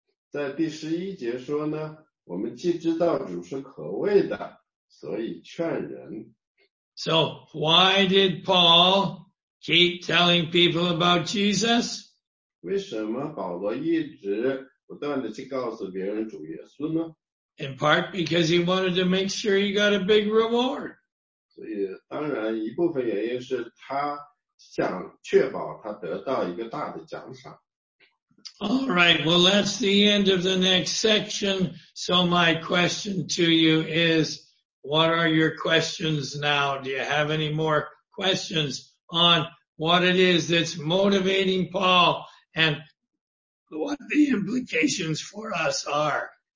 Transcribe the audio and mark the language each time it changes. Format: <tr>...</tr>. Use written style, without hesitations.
<zh>在第十一节说呢, 我们既知道主是可畏的, 所以劝人。</zh> <en>So why did Paul keep telling people about Jesus?</en> <zh>为什么保罗一直不断地去告诉别人主耶稣呢?</zh> <en>In part because he wanted to make sure he got a big reward.</en> <zh>所以当然一部分原因是他想确保他得到一个大的奖赏。</zh> <en>All right, well, that's the end of the next section. So my question to you is, what are your questions now? Do you have any more questions on what it is that's motivating Paul and what the implications for us are?</en>